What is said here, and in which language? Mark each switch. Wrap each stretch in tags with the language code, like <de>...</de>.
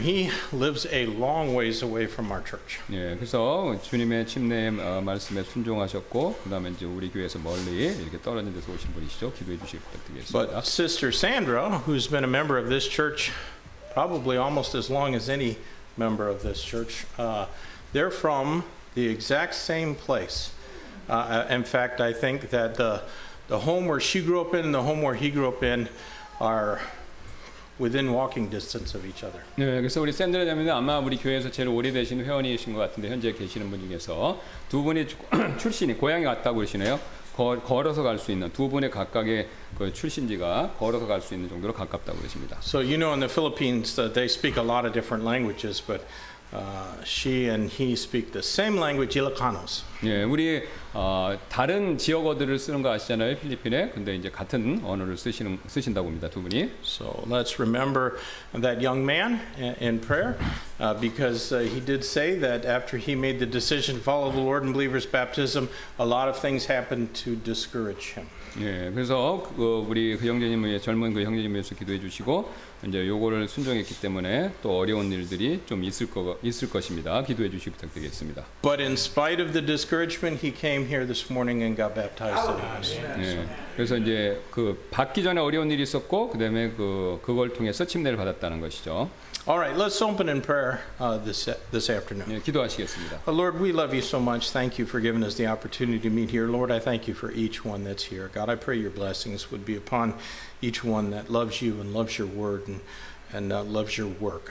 <en>He lives a long ways away from our church.</en> <ko>예, 그래서 주님의 침례 말씀에 순종하셨고, 그다음에 이제 우리 교회에서 멀리 이렇게 떨어진 데서 오신 분이시죠? 기도해 주시기 부탁드리겠습니다.</ko> <en>But Sister Sandra, who's been a member of this church probably almost as long as any member of this church, they're from the exact same place. In fact, I think that the home where she grew up in and the home where he grew up in are within walking distance of each other.</en> <ko>네, 그래서 우리 샌드라 자매는 아마 우리 교회에서 제일 오래되신 회원이신 것 같은데 현재 계시는 분 중에서 두 분이 출신이 고향에 왔다고 그러시네요. 걸어서 갈 수 있는 두 분의 각각의 그 출신지가 걸어서 갈 수 있는 정도로 가깝다고 그러십니다.</ko> <en>So you know, in the Philippines, they speak a lot of different languages, but she and he speak the same language, Ilocanos.</en> <ko>예, 우리 다른 지역어들을 쓰는 거 아시잖아요, 필리핀에. 근데 이제 같은 언어를 쓰신다고 합니다, 두 분이.</ko> <en>So let's remember that young man in prayer. because he did say that after he made the decision to follow the Lord in believer's baptism, a lot of things happened to discourage him.</en> <ko>예, 그래서 우리 그 형제님의 젊은 그 형제님에서 기도해 주시고 이제 요거를 순종했기 때문에 또 어려운 일들이 좀 있을 것입니다. 기도해 주시기 부탁드리겠습니다.</ko> <en>But in spite of the discouragement, he came here this morning and got baptized.</en> <ko>예, 그래서 이제 그 받기 전에 어려운 일이 있었고 그다음에 그걸 통해서 침례를 받았다는 것이죠.</ko> <en>All right, let's open in prayer this afternoon.</en> <ko>예, 기도하시겠습니다.</ko> <en>Lord, we love you so much. Thank you for giving us the opportunity to meet here. Lord, I thank you for each one that's here. God, I pray your blessings would be upon each one that loves you and loves your word and loves your work.</en>